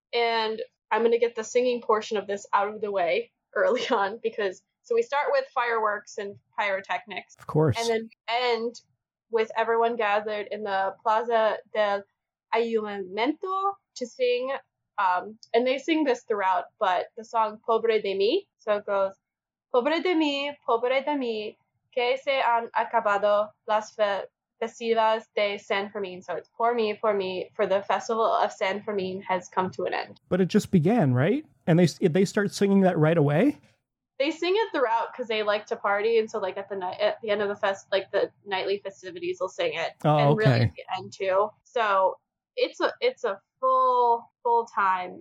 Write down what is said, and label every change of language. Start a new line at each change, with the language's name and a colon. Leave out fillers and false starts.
English: And I'm going to get the singing portion of this out of the way early on because... So we start with fireworks and pyrotechnics. Of course. And then end with everyone gathered in the Plaza del Ayuntamiento to sing. And they sing this throughout, but the song Pobre de mí. So it goes,
Spanish: pobre de mí, que se han acabado las festivas de San Fermín.
English: So it's poor me, for the festival of San Fermín has come to an end. But it just began, right? And they start singing that right away? They sing it throughout because they like to party, and so like at the end of the fest, like the nightly festivities, they'll sing it. Oh, and okay. Really at the end too. So it's a full time.